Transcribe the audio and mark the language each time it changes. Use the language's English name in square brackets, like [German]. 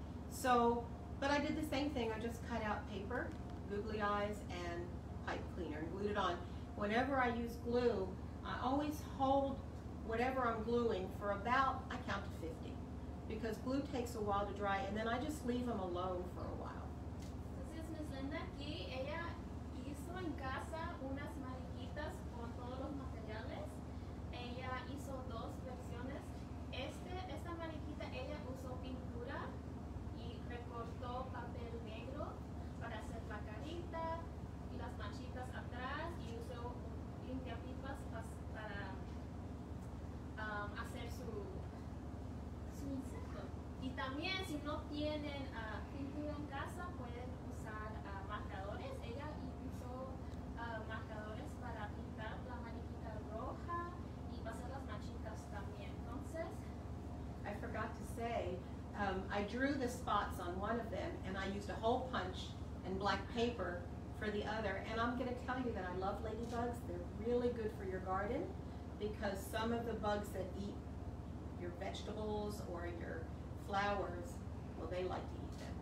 [English] So, but I did the same thing. I just cut out paper, googly eyes, and pipe cleaner, and glued it on. Whenever I use glue, I always hold whatever I'm gluing for about, I count to 50. Because glue takes a while to dry, and then I just leave them alone for a while. This is Miss Linda aquí. [Spanish] Ella hizo en casa unas mariquitas con todos los materiales. Ella hizo dos versiones. Esta mariquita, ella usó pintura y recortó papel negro para hacer la carita y las manchitas atrás. Y usó limpiapipas para hacer su insecto. Y también si no tienen pintura en casa, pueden usar marcadores. Ella usó marcadores para pintar la mariquita roja y pasar las manchitas también. Entonces, [English] I forgot to say, I drew the spots on one of them and I used a hole punch and black paper for the other. And I'm going to tell you that I love ladybugs. They're really good for your garden because some of the bugs that eat your vegetables or your flowers, well, they like to eat them.